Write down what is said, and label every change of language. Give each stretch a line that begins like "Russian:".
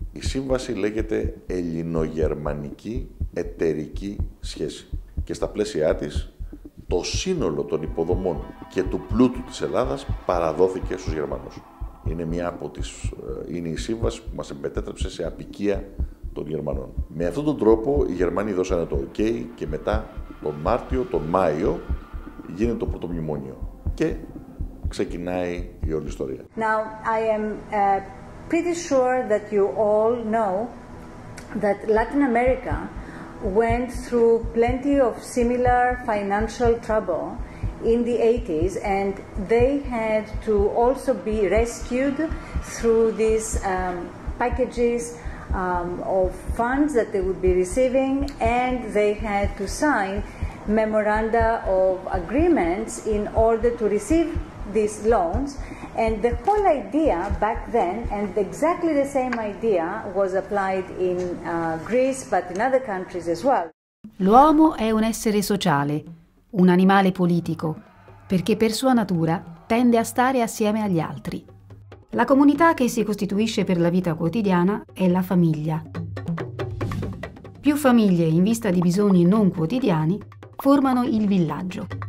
Greek: Η σύμβαση λέγεται Ελληνογερμανική Εταιρική Σχέση και στα πλαίσια της το σύνολο των υποδομών και του πλούτου της Ελλάδας παραδόθηκε στους Γερμανούς. Είναι μια από τις, είναι η σύμβαση που μας εμπετέτρεψε σε αποικία των Γερμανών. Με αυτόν τον τρόπο οι Γερμανοί δώσανε το OK και μετά τον Μάρτιο, τον Μάιο γίνεται το πρώτο μνημόνιο και ξεκινάει η όλη ιστορία.
English: Now, I am pretty sure that you all know that Latin America went through plenty of similar financial trouble in the 80s and they had to also be rescued through these packages of funds that they would be receiving and they had to sign memoranda of agreements in order to receive these loans, and the whole idea back then, and exactly the same idea was applied in Greece, but in other countries as well.
Italian: L'uomo è un essere sociale, un animale politico, perché per sua natura tende a stare assieme agli altri. La comunità che si costituisce per la vita quotidiana è la famiglia. Più famiglie in vista di bisogni non quotidiani formano il villaggio.